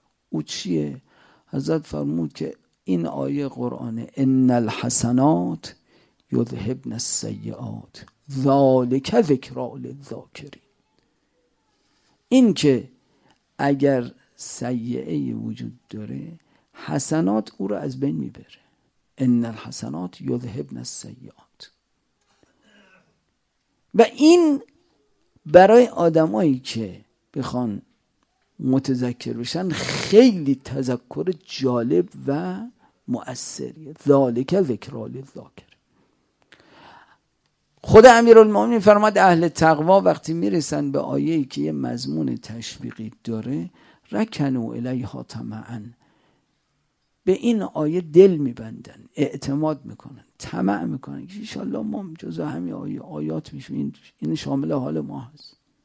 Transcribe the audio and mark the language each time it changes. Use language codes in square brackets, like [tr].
[fa] او چیه؟ حضرت فرمود که این آیه قرآنه [ar] ان الحسنات یذهبن السیئات ذالک ذکر للذاکرین. [fa] این که اگر سیئه وجود داره حسنات او رو از بین میبره. [ar] ان الحسنات یذهبن السیئات. [fa] و این برای آدمایی که بخوان متذکر بشن خیلی تذکر جالب و مؤثریه. [ar] ذالک ذکر للذاکرین. [fa] خود امیرالمومنین فرماد اهل تقوا وقتی میرسن به آیه‌ای که یه مضمون تشویقی داره، [ar] رکنو الیها طمعا، [fa] به این آیه دل میبندن، اعتماد میکنن، طمع میکنن که ان شاء الله ما جزء همین آیات میشیم، این شامل حال ما هست.